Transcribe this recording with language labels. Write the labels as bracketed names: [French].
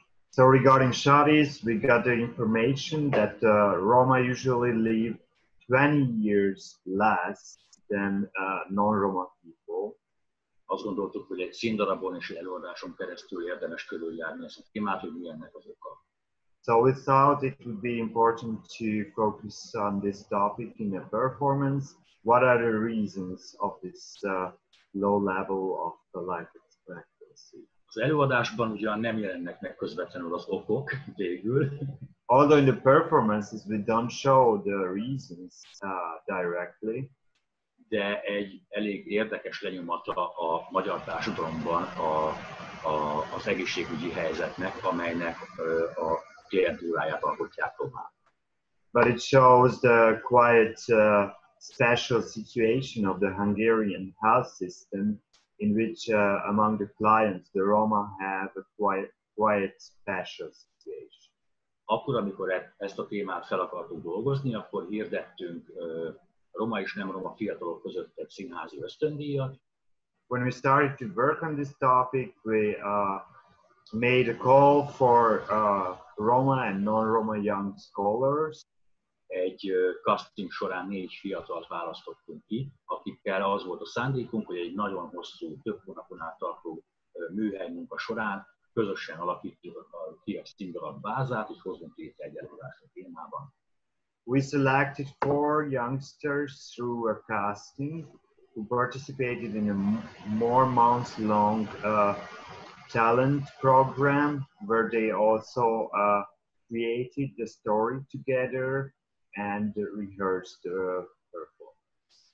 [English] So regarding Shoddies, we got the information that Roma usually live 20 years less than non-Roma people. [Hungarian] Azt gondoltuk, hogy egy színdarabon és előadáson keresztül érdemes körüljárni ezt a témát, hogy milyennek az oka. [English] So we thought it would be important to focus on this topic in a performance. What are the reasons of this low level of the life expectancy? [Hungarian] Az előadásban ugyan nem jelennek meg közvetlenül az okok végül. [English] Although in the performances we don't show the reasons directly, [Hungarian] de egy elég érdekes lenyomata a magyar társadalomban az egészségügyi helyzetnek, amelynek a klientúráját alkotják tovább. [English] But it shows the quite special situation of the Hungarian health system, in which among the clients the Roma have a quite special situation. [Hungarian] Akkor, amikor ezt a témát fel akartunk dolgozni, akkor hirdettünk Roma és nem Roma fiatalok között egy színházi ösztöndíjat. [English] When we started to work on this topic, we made a call for Roma and non-Roma young scholars. [Hungarian] Egy casting során négy fiatalt választottunk ki, akikkel az volt a szándékunk, hogy egy nagyon hosszú, több hónapon át tartó műhely munka során közösen alakítjuk ki a színdarab bázát, és hozzunk létre egy előadást a témában. [English] We selected four youngsters through a casting who participated in a more months-long talent program where they also created the story together and rehearsed the performance.